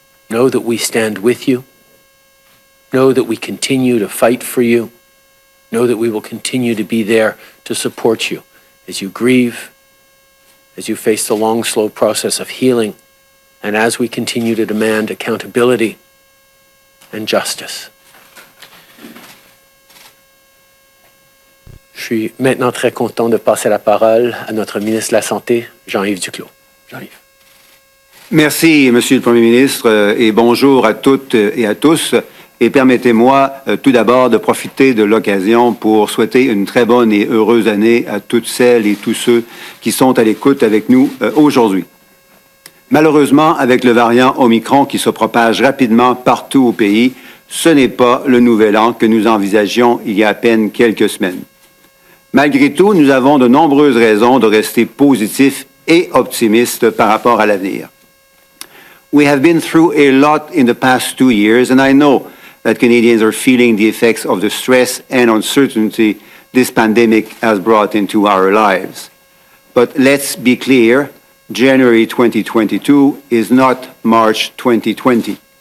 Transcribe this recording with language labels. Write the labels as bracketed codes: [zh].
[en] Know that we stand with you. Know that we continue to fight for you. Know that we will continue to be there to support you as you grieve, as you face the long, slow process of healing, and as we continue to demand accountability and justice. [fr] Je suis maintenant très content de passer la parole à notre ministre de la Santé, Jean-Yves Duclos. Jean-Yves. Merci, Monsieur le Premier ministre, et bonjour à toutes et à tous. Et permettez-moi tout d'abord de profiter de l'occasion pour souhaiter une très bonne et heureuse année à toutes celles et tous ceux qui sont à l'écoute avec nous aujourd'hui. Malheureusement, avec le variant Omicron qui se propage rapidement partout au pays, ce n'est pas le nouvel an que nous envisagions il y a à peine quelques semaines. Malgré tout, nous avons de nombreuses raisons de rester positifs et optimistes par rapport à l'avenir. [en] We have been through a lot in the past 2 years, and I know that Canadians are feeling the effects of the stress and uncertainty this pandemic has brought into our lives. But let's be clear, January 2022 is not March 2020.